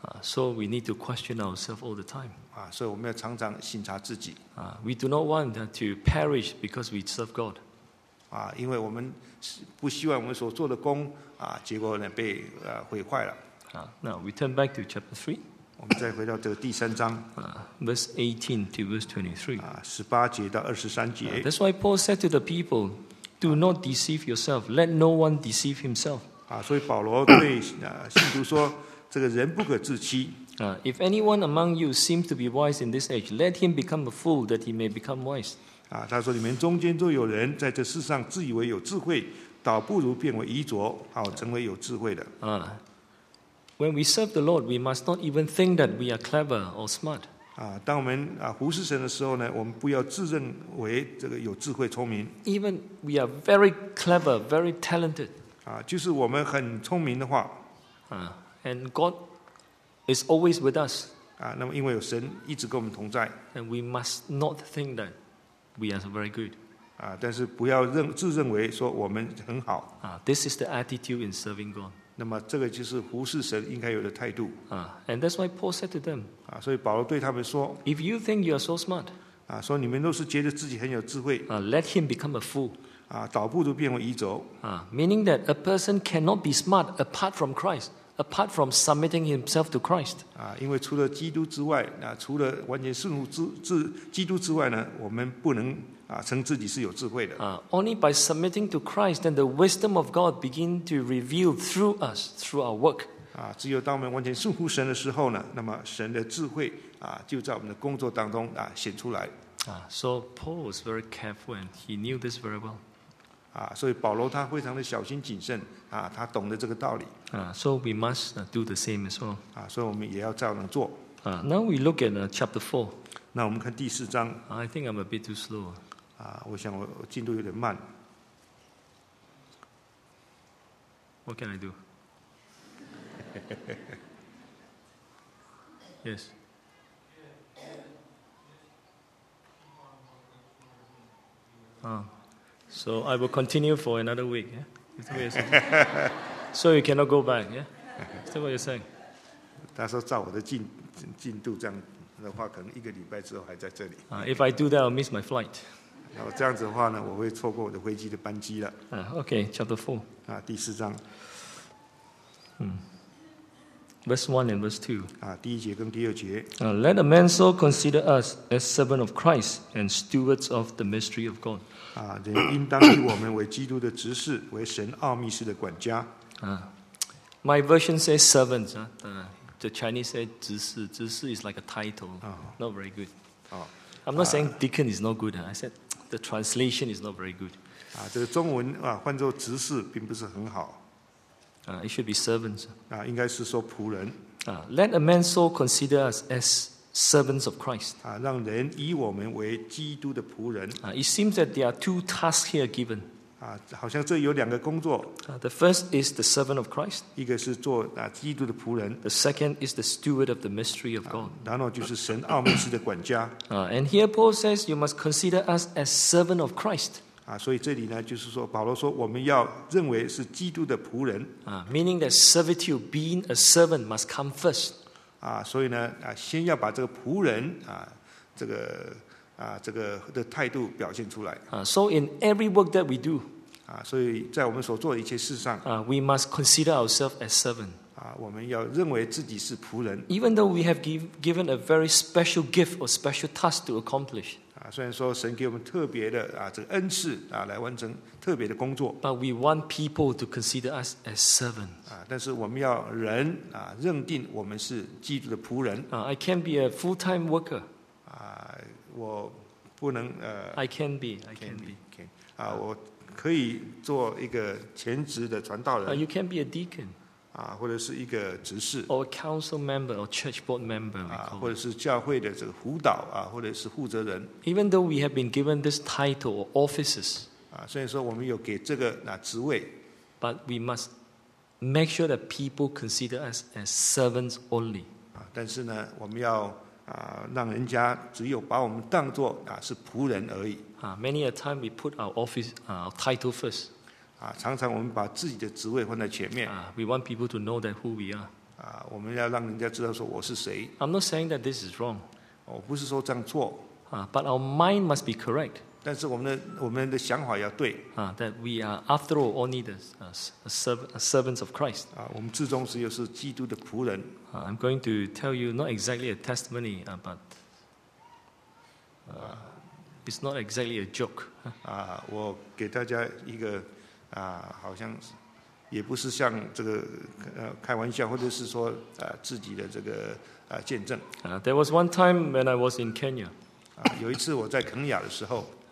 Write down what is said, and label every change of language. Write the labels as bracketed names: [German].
[English] So we need to question ourselves all the time. [Chinese] 所以我们要常常省察自己。 [English] We do not want to perish because we serve God. [Chinese] 因为我们不希望我们所做的工结果呢被毁坏了。 [English] Now we turn back to chapter 3. [Chinese] 我们再回到这个第三章。 [English] Verse 18 to verse 23. [Chinese] 18节到23节。 [English] That's why Paul said to the people, do not deceive yourself, let no one deceive himself. [Chinese] 所以保罗对信徒说，这个人不可自欺。 [English] If anyone among you seems to be wise in this age, let him become a fool that he may become wise. [Chinese] 他说你们中间都有人在这世上自以为有智慧，倒不如变为愚拙，好成为有智慧的。 [English] When we serve the Lord, we must not even think that we are clever or smart. [Chinese] 当我们服侍神的时候呢，我们不要自认为这个有智慧聪明。 [English] Even we are very clever, very talented. [Chinese] 就是我们很聪明的话。 [English] And God is always with us. [Chinese] 那么因为有神一直跟我们同在。 [English] And we must not think that. We are very good. [Chinese] 但是不要自认为说我们很好。 [English] This is the attitude in serving God. [Chinese] 那么这个就是服侍神应该有的态度。 [English] And that's why Paul said to them. [Chinese] 所以保罗对他们说。 [English] If you think you are so smart. [Chinese] 说你们都是觉得自己很有智慧。 [English] Let him become a fool. [Chinese] 倒不如变为愚拙。 [English] Meaning that a person cannot be smart apart from Christ. Apart from submitting himself to Christ. [Chinese] 因为除了基督之外，除了完全顺服基督之外呢，我们不能称自己是有智慧的。 [English] Only by submitting to Christ, then the wisdom of God begin to reveal through us, through our work. [Chinese] 只有当我们完全顺服神的时候呢，那么神的智慧就在我们的工作当中显出来。 [English] So Paul was very careful and he knew this very well. [Chinese] 所以保罗他非常的小心谨慎。他懂得这个道理。 [English] So we must do the same as well. [Chinese] 所以我们也要照样做。 [English] Now we look at chapter 4. [Chinese] 那我们看第四章。 [English] I think I'm a bit too slow. [Chinese] 我想我进度有点慢。 [English] What can I do? Yes. So I will continue for another week. So you cannot go back, yeah? Is that what you're saying? [Chinese] 他说照我的进度这样的话，可能一个礼拜之后还在这里。 [English] If I do that, I'll miss my flight. [Chinese] 然后这样子的话呢，我会错过我的飞机的班机了。 [English] Okay, chapter 4. [Chinese] 第四章。 [English] Verse 1 and verse 2. [Chinese] 第一节跟第二节。 [English] Let a man so consider us as servants of Christ and stewards of the mystery of God. [Chinese] 人应当以我们为基督的执事，为神奥秘事的管家。 [English] My version says servants. The Chinese say 执事。执事 is like a title. Not very good. I'm not saying deacon is not good. I said the translation is not very good. [Chinese] 这个中文换作执事并不是很好。 [English] It should be servants. [Chinese] 应该是说仆人。 [English] Let a man so consider us as servants of Christ. [Chinese] 让人以我们为基督的仆人。 [English] It seems that there are two tasks here given. [Chinese] 好像这有两个工作。 [English] The first is the servant of Christ. [Chinese] 一个是做基督的仆人。 [English] The second is the steward of the mystery of God. [Chinese] 然后就是神奥秘事的管家。 [English] And here Paul says you must consider us as servant of Christ. [Chinese] 所以这里呢，就是说，保罗说，我们要认为是基督的仆人。 [English] Meaning that servitude, being a servant, must come first. [Chinese] 所以呢，先要把这个仆人这个的态度表现出来。 [English] So in every work that we do, [Chinese] 所以在我们所做的一切事上， [English] we must consider ourselves as servant. [Chinese] 我们要认为自己是仆人。 [English] Even though we have given a very special gift or special task to accomplish. [Chinese] 虽然说神给我们特别的这个恩赐来完成特别的工作。 [English] But we want people to consider us as servants. [Chinese] 但是我们要人认定我们是基督的仆人。 [English] I can be a full-time worker. [Chinese] 我不能 [English] I can be. [Chinese] 我可以做一个全职的传道人。 [English] You can be a deacon. [Chinese] 或者是一个执事。 [English] Or a council member or church board member. [Chinese] 或者是教会的这个辅导或者是负责人。 [English] Even though we have been given this title or offices. [Chinese] 虽然说我们有给这个职位。 [English] But we must make sure that people consider us as servants only. [Chinese] 但是呢，我们要让人家只有把我们当作是仆人而已。 [English] Many a time we put our office, our title first. [Chinese] 常常我们把自己的职位放在前面。 [English] We want people to know that who we are. [Chinese] 我们要让人家知道说我是谁。 [English] I'm not saying that this is wrong. [Chinese] 我不是说这样错。 [English] But our mind must be correct. [Chinese] 但是我们的想法要对。 [English] That we are after all only the servants of Christ. [Chinese] 我们至终是又是基督的仆人。 [English] I'm going to tell you not exactly a testimony, but it's not exactly a joke. [Chinese] 我给大家一个。好像也不是像这个开玩笑，或者是说自己的这个见证。 [English] There was one time when I was in Kenya. [Chinese] 有一次我在肯雅的时候。